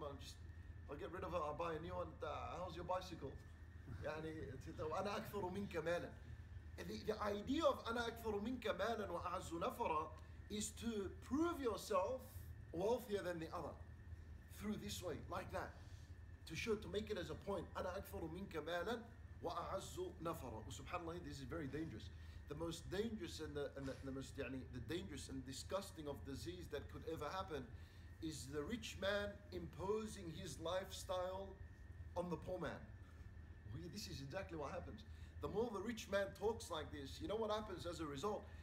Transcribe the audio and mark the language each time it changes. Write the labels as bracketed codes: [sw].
[en] I'll get rid of it. I'll buy a new one. How's your bicycle? [ar] يعني أنا أكثر منك مالا. [en] The idea of [ar] أنا أكثر منك مالا وأعز نفرا [en] is to prove yourself wealthier than the other through this way, like that, to show, to make it as a point. [ar] أنا أكثر منك مالا وأعز نفرا. [en] Subhanallah, this is very dangerous. The most dangerous and the dangerous and disgusting of disease that could ever happen is the rich man imposing his lifestyle on the poor man. This is exactly what happens. The more the rich man talks like this, you know what happens as a result?